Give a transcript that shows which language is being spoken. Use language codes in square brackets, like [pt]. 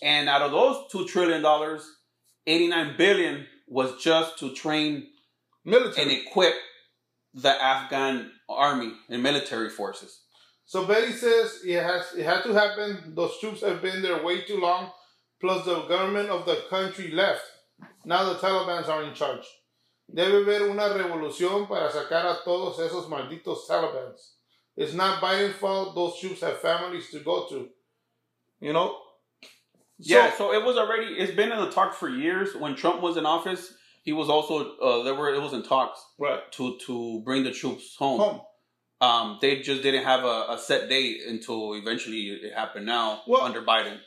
[en] And out of those $2 trillion, $89 billion was just to train military and equip the Afghan army and military forces. So Betty says it had to happen. Those troops have been there way too long. Plus, the government of the country left. Now the Taliban are in charge. [es] Debe haber una revolución para sacar a todos esos malditos Taliban. [en] It's not Biden's fault. Those troops have families to go to. You know? Yeah, so it was already... It's been in the talks for years. When Trump was in office, he was also... it was in talks. Right. To bring the troops home. Home. They just didn't have a set date until eventually it happened now under Biden,